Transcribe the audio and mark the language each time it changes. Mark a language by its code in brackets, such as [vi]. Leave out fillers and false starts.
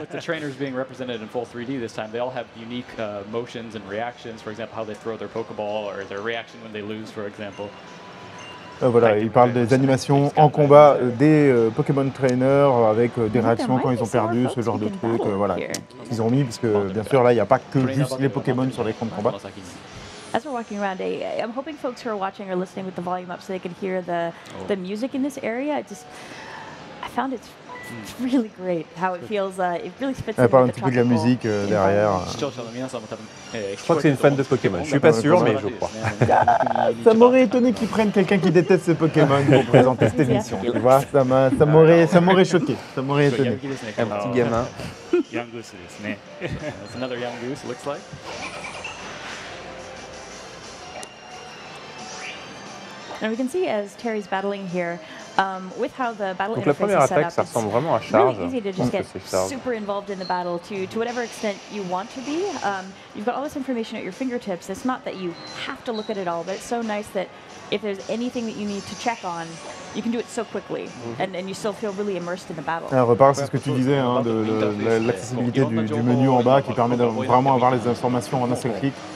[en] with the trainers being represented in full 3D this time, they all have unique motions and reactions, for example, how they throw their Pokeball or their reaction when they lose, for example. [fr] Voilà, ils parlent des animations en combat des Pokémon trainers avec des réactions quand ils ont perdu, ce genre de trucs, voilà, qu'ils ont mis, parce que bien sûr, là, il n'y a pas que juste les Pokémon sur l'écran de combat. [en] As we're walking around, I'm hoping folks who are watching or listening with the volume up so they can hear the music in this area. I found it really great how it feels. It really fits. [fr] Elle parle un petit peu de la musique derrière. Je crois que c'est une fan de Pokémon. Je suis pas sûr, mais je crois. Ça m'aurait étonné qu'ils prennent quelqu'un qui déteste ce Pokémon pour présenter cette émission. Tu vois, ça m'aurait choqué. Ça m'aurait étonné. Un petit gamin. [en] Young goose, isn't it? That's another young goose. Looks like. And we can see as Terry's battling here, with how the battle [fr] Donc la première attaque, [en] set up, [fr] ça ressemble vraiment à Charge. [en] Really easy to just get super involved in the battle to whatever extent you want to be. You've got all this information at your fingertips. It's not that you have to look at it all, but it's so nice that if there's anything that you need to check on, you can do it so quickly, and you still feel really immersed in the battle. [fr] Un repart, c'est ce que tu disais, hein, de l'accessibilité du menu en bas qui permet de vraiment avoir les informations en un seul clic.